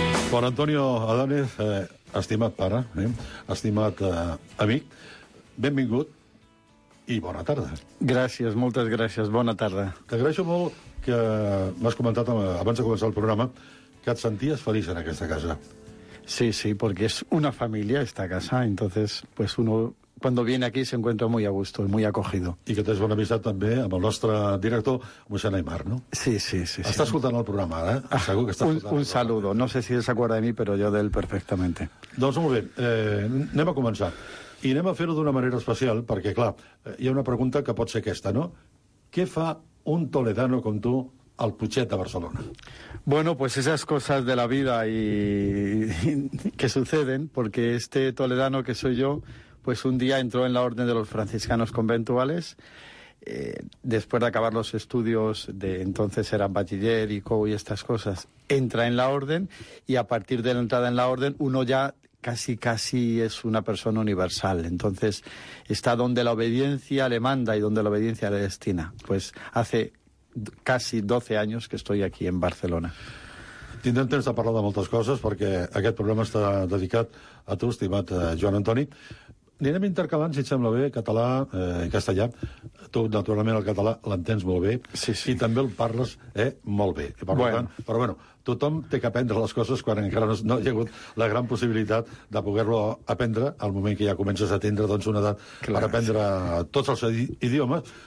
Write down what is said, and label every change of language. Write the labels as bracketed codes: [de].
[ca] Juan Antonio Adánez, estimat pare, estimat amic, benvingut i bona tarda. Gràcies, moltes gràcies, bona tarda. T'agraeixo molt que m'has comentat abans de començar el programa que et senties feliç en aquesta casa. [es] Sí, sí, porque es una familia esta casa, entonces pues uno cuando viene aquí se encuentra muy a gusto, muy acogido. [ca] I que tens bona amistat també amb el nostre director, mossèn Aymar, no? Sí, sí, sí. Està sí. Escoltant el programa, eh? Segur que està escoltant. [es] Un saludo, no sé si se acuerda de mi, pero yo de él perfectamente. [ca] Doncs molt bé, anem a començar. I anem a fer-ho d'una manera especial, perquè, clar, hi ha una pregunta que pot ser aquesta, no? Què fa un toledano com tu al Putxet de Barcelona? [es] Bueno, pues esas cosas de la vida y que suceden, porque este toledano que soy yo, pues un día entró en la orden de los franciscanos conventuales, después de acabar los estudios de entonces eran bachiller y COU y estas cosas, entra en la orden y a partir de la entrada en la orden uno ya casi es una persona universal. Entonces está donde la obediencia le manda y donde la obediencia le destina. Pues hace casi 12 años que estoy aquí en Barcelona. [ca] Tindrem temps de parlar de moltes coses perquè aquest programa està dedicat a tu, estimat Joan Antoni. Anirem intercalant, si et sembla bé, català i castellà. Tu, naturalment, el català l'entens molt bé. Sí, sí. I també el parles molt bé. Però, bueno, tothom té que aprendre les coses quan encara no hi ha hagut la gran possibilitat de poder-lo aprendre al moment que ja comences a tindre doncs, una edat per aprendre tots els idiomes.